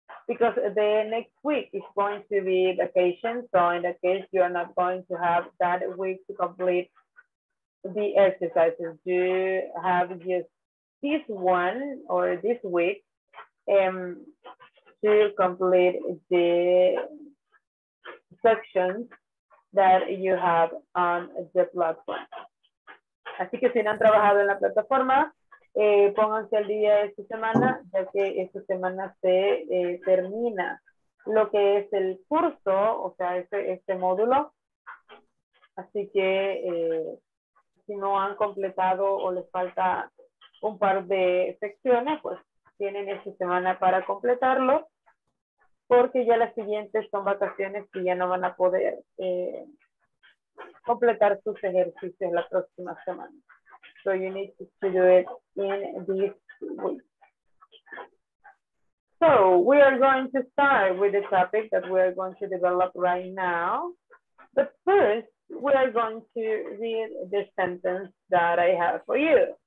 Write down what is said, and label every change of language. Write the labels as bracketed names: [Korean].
[English] Because the next week is going to be vacation, so in that case, you are not going to have that week to complete the exercises. You have just this one or this week to complete the sections that you have on the platform. [Spanish] Así que si no han trabajado en la plataforma, pónganse al día esta semana, ya que esta semana se termina lo que es el curso, o sea, este módulo. Así que si no han completado o les falta un par de secciones, pues tienen esta semana para completarlo, porque ya las siguientes son vacaciones y ya no van a poder completar sus ejercicios la próxima semana. [English] So you need to do it in this week. So we are going to start with the topic that we are going to develop right now. But first, we are going to read the sentence that I have for you.